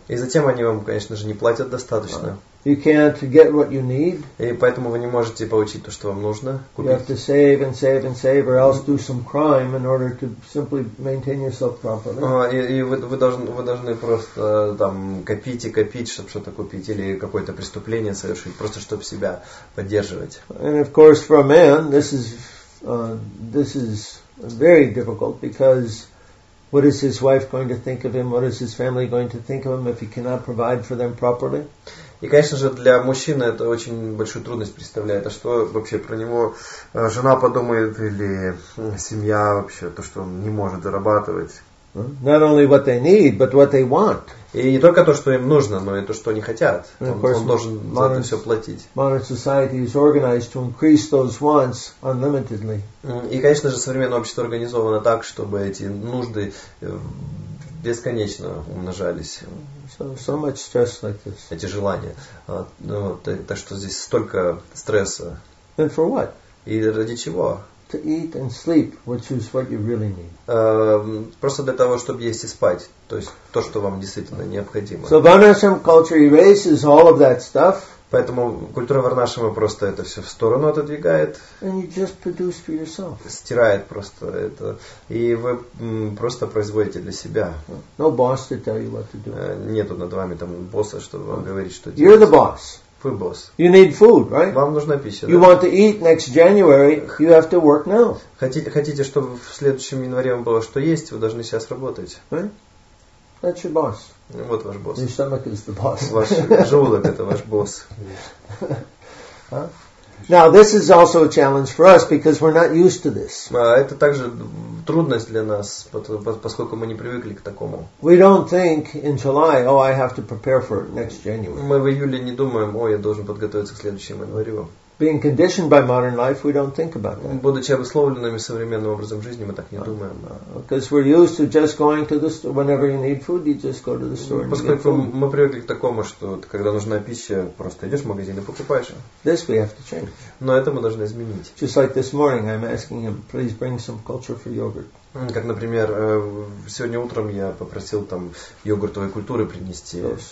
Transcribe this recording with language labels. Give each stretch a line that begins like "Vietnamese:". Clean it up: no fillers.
Russian: И затем они вам, конечно же, не платят достаточно.
English: You can't get what you need.
Russian: И поэтому вы не можете получить то, что вам нужно купить.
English: You have to save and save and save, or else do some crime in order to simply maintain yourself properly.
Russian: И вы должны просто там копить и копить, чтобы что-то купить или какое-то преступление совершить, просто чтобы себя поддерживать.
English: And of course, for a man, this is very difficult because. What is his wife going to think of him? What is his family going to think of him if he cannot provide for them properly?
Russian: И, конечно же, для мужчины это очень большую трудность представляет. А что вообще про него жена подумает или семья вообще, то, что он не может зарабатывать?
English: Not only what they need, but what they want.
Russian: И не только то, что им нужно, но и то, что они хотят. Он должен за это все платить.
English: Modern society is organized to increase those wants unlimitedly.
Russian: И, конечно же, современное общество организовано так, чтобы эти нужды бесконечно умножались.
English: So much stress like this.
Russian: Эти желания. Так что здесь столько стресса.
English: And for what?
Russian: И ради чего?
English: To eat and sleep, which is what you really need.
Russian: Просто для того, чтобы есть и спать, то есть то, что вам действительно необходимо.
English: So Varnashram culture erases all of that stuff.
Russian: Поэтому культура Варнашрама просто это все в сторону отодвигает.
English: And you just produce for yourself.
Russian: Стирает просто это, и вы просто производите для себя.
English: No boss to tell you what to do.
Russian: Нету над вами там босса, чтобы вам говорить, что делать.
English: You're the boss.
Russian: Вы босс.
English: You need food, right?
Russian: Вам нужна пища.
English: You want to eat next January, you have to work now.
Russian: Хотите, чтобы в следующем январе было что есть, вы должны сейчас работать.
English: Right? That's your boss.
Russian: Вот ваш босс.
English: Your stomach is the boss.
Russian: Ваш желудок это ваш босс.
English: Now this is also a challenge for us because we're not used to this.
Russian: Это также трудность для нас, поскольку мы не привыкли к такому.
English: We don't think in July, oh, I have to prepare for next January.
Russian: Мы в июле не думаем, ой, я должен подготовиться к следующему январю.
English: Being conditioned by modern life, we don't think about that.
Russian: Будучи обусловленными современным образом жизни, мы так не думаем.
English: Because we're used to just going to the store. Whenever you need food, you just go to the store.
Russian: Поскольку мы привыкли к такому, что когда нужна пища, просто идешь в магазин и покупаешь.
English: This we have to change.
Russian: Но это мы должны изменить.
English: Just like this morning, I'm asking him, please bring some culture for yogurt.
Russian: Как, например, сегодня утром я попросил там йогуртовой культуры принести.